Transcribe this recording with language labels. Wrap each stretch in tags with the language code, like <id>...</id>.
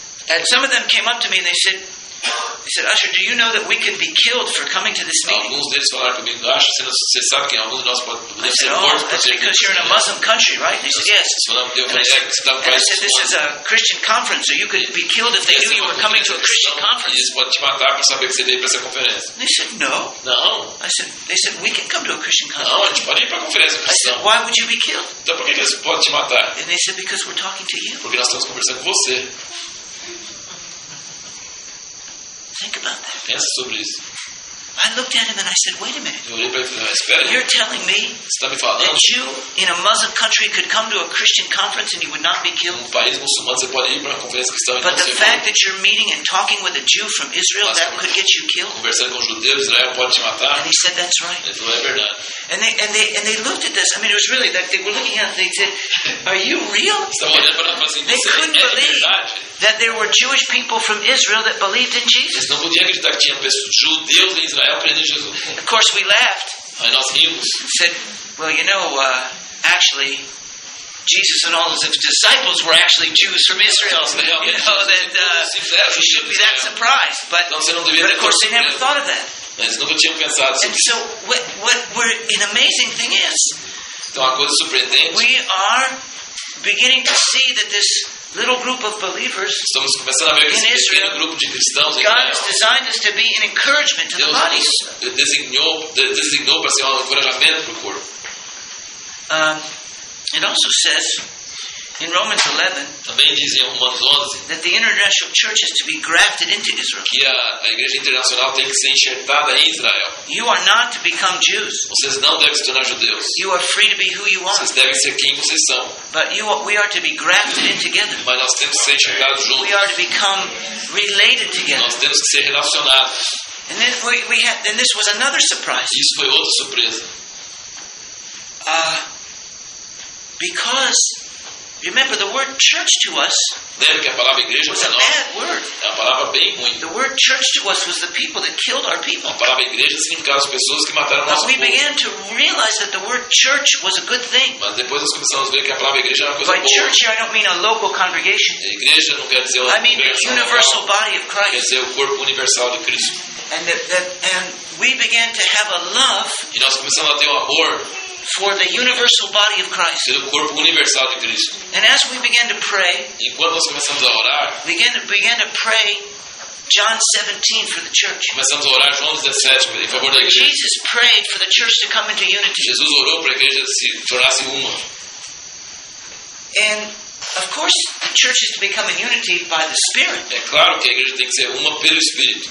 <en>And some of them came up to me and they said, Usher, do you know that we could be killed for coming to this meeting?</en> <pt>Alguns deles falaram comigo, Usher, você sabe que alguns de nós podemos ser mortos por ter vindo.</pt> <en>Because you're in a Muslim country, right? They said, yes. And I said, this is a Christian conference, so you could be killed if they knew you were coming to a Christian conference.</en> <pt>Eles podem te matar por saber que você veio para essa conferência.</pt> <en>They said, no.</en> <pt>Não.</pt> <en>They said, we can come to a Christian conference.</en> <pt>Não, a gente pode ir para a conferência cristã.</pt> <en>I said, why would you be killed?</en> <pt>Então por que eles podem te matar?</pt> <en>And they said, because we're talking to you.</en> <pt>Porque nós estamos conversando com você.</pt> <en>Think about that.</en> <pt>Pensa sobre isso.</pt> <en>I looked at him and I said, wait a minute.</en> <pt>Eu olhei para ele e falei, espera aí.</pt> <en>You're telling me that you, in a Muslim country, could come to a Christian conference and you would not be killed?</en> <pt>Um país muçulmano, você pode ir para uma conferência cristã e não ser morto.</pt> <en>But the fact that you're meeting and talking with a Jew from Israel, that could get you killed?</en> <pt>Conversando com um judeu de Israel pode te matar.</pt> <en>And he said, that's right.</en> <pt>Ele falou, é verdade.</pt> <en>And they looked at this. I mean, it was really like they were looking at it. They said, are you real?</en> <pt>Estavam olhando para nós assim,</pt> <en>they couldn't believe that there were Jewish people from Israel that believed in Jesus.</en> <pt>Eles não podiam acreditar que tinha judeus em Israel.</pt> <en>Of course, we laughed.</en> <pt>Aí nós rimos.</pt> <en>Said, well, you know, actually, Jesus and all his disciples were actually Jews from Israel. You shouldn't be that surprised. But,</en> <pt>então,</pt> <en>of course, they never thought of that.</en> <pt>Eles nunca tinham pensado sobre</pt> <en>and so, what we're, an amazing thing is,</en> <pt>então, uma coisa surpreendente.</pt> <en>We are beginning to see that this little group of believers</en> <pt>estamos começando a ver esse pequeno grupo de cristãos em</pt> <en>Israel. God has designed us to be an encouragement to the body.</en> <pt>Deus nos designou para ser um encorajamento para o corpo.</pt> <en>It also says in Romans 11,</en> <pt>também diz em Romanos 11</pt> <en>that the international church is to be grafted into Israel.</en> <pt>Que a igreja internacional tem que ser enxertada em Israel.</pt> <en>You are not to become Jews.</en> <pt>Vocês não devem se tornar judeus.</pt> <en>You are free to be who you are.</en> <pt>Vocês devem ser quem vocês são.</pt> <en>But we are to be grafted in together.</en> <pt>Mas nós temos que ser enxertados juntos.</pt> <en>We are to become related together.</en> <pt>Nós temos que ser relacionados.</pt> <en>And then then this was another surprise.</en> <pt>Isso foi outra surpresa.</pt> <en>Because remember the word church to us.</en> <pt>Lembra que a palavra igreja</pt> <en>was a bad word.</en> <pt>É uma palavra bem ruim.</pt> <en>The word church to us was the people that killed our people.</en> <pt>A palavra igreja significava as pessoas que mataram nosso povo.</pt> <en>We began to realize that the word church was a good thing.</en> <pt>Mas depois nós começamos a ver que a palavra igreja era uma coisa boa.</pt> <en>By church here I don't mean a local congregation.</en> <pt>A igreja não quer dizer uma</pt> <en>I mean the universal body of Christ.</en> <pt>Quer dizer o corpo universal de Cristo.</pt> <en>And we began to have a love.</en> <pt>E nós começamos a ter um amor</pt> <en>for the universal body of Christ.</en> <pt>Pelo corpo universal de Cristo.</pt> <en>And as we began to pray,</en> <pt>enquanto nós começamos a orar,</pt> <en>began to pray John 17 for the church.</en> <pt>Começamos a orar João 17 em favor da igreja.</pt> <en>Jesus prayed for the church to come into unity.</en> <pt>Jesus orou para a igreja se tornasse uma.</pt> <en>And of course, the church is to become in unity by the Spirit.</en> <pt>É claro que a igreja tem que ser uma pelo Espírito.</pt>